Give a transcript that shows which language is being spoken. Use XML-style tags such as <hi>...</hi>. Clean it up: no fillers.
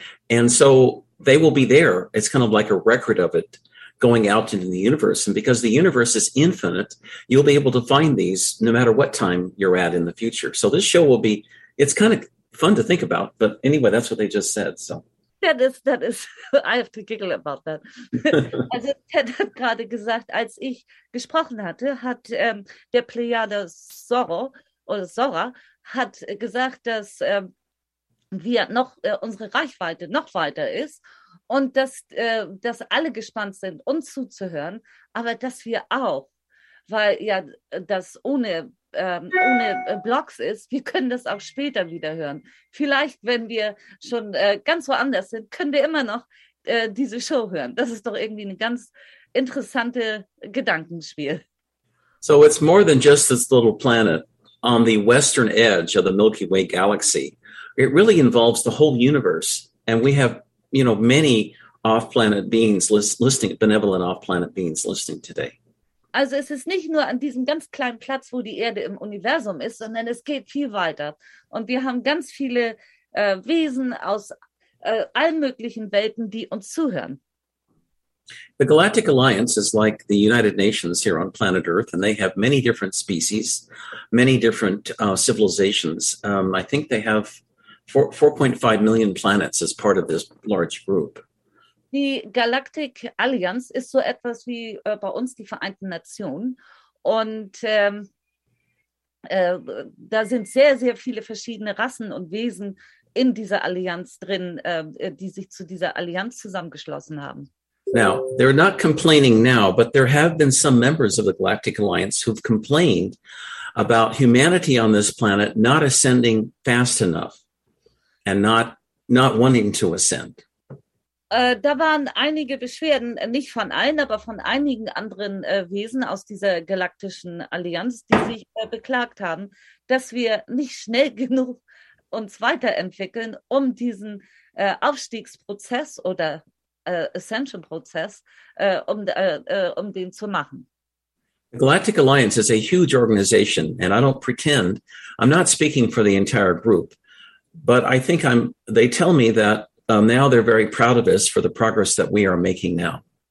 <en>And so they will be there. It's kind of like a record of it, going out into the universe. And because the universe is infinite, you'll be able to find these no matter what time you're at in the future. So this show will be, it's kind of fun to think about. But anyway, that's what they just said. So that is, I have to giggle about that.</en> <de>Also Ted hat gerade gesagt, als ich gesprochen hatte, hat der Plejade Zora hat gesagt, dass wir noch unsere Reichweite noch weiter ist. Und dass alle gespannt sind, uns zuzuhören, aber dass wir auch, weil ja das ohne Blogs ist, wir können das auch später wieder hören. Vielleicht, wenn wir schon ganz woanders sind, können wir immer noch diese Show hören. Das ist doch irgendwie ein ganz interessantes Gedankenspiel.</de> <en>So it's more than just this little planet on the western edge of the Milky Way galaxy. It really involves the whole universe, and we have, you know, many off-planet beings listening, benevolent off-planet beings listening today.</en> <de>Also es ist nicht nur an diesem ganz kleinen Platz, wo die Erde im Universum ist, sondern es geht viel weiter. Und wir haben ganz viele Wesen aus allen möglichen Welten, die uns zuhören.</de> <en>The Galactic Alliance is like the United Nations here on planet Earth, and they have many different species, many different civilizations. I think they have 4.5 million planets as part of this large group.</en> <de>Die Galactic Alliance ist so etwas wie bei uns die Vereinten Nationen. Und da sind sehr, sehr viele verschiedene Rassen und Wesen in dieser Allianz drin, die sich zu dieser Allianz zusammengeschlossen haben.</de> <en>Now, they're not complaining now, but there have been some members of the Galactic Alliance who've complained about humanity on this planet not ascending fast enough. And not wanting to ascend.</en> <de>Da waren einige Beschwerden, nicht von allen, aber von einigen anderen Wesen aus dieser galaktischen Allianz, die sich beklagt haben, dass wir nicht schnell genug uns weiterentwickeln, um diesen Aufstiegsprozess oder Ascension-Prozess, um den zu machen.</de> <en>The Galactic Alliance is a huge organization, and I don't pretend, I'm not speaking for the entire group. But I think they tell me that now they're very proud of us for the progress that we are making now.</en>